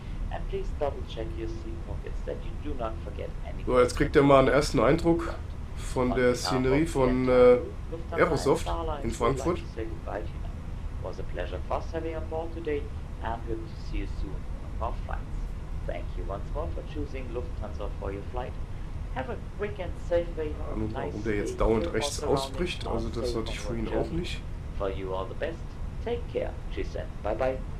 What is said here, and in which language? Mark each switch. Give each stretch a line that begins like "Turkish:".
English: And please double check your seat pockets that you do not forget anything.
German: So, jetzt kriegt ihr mal einen ersten Eindruck von der Szenerie von Aerosoft in Frankfurt.
English: Was a pleasure for us having on board today and hope to see you soon on our flights. Thank you once more for choosing Lufthansa for your flight. Have a quick and safe way home.
German: Und warum der jetzt dauernd rechts ausbricht, also das hatte ich vorhin auch nicht.
English: For you all the best. Take care. Tschüss. Bye bye.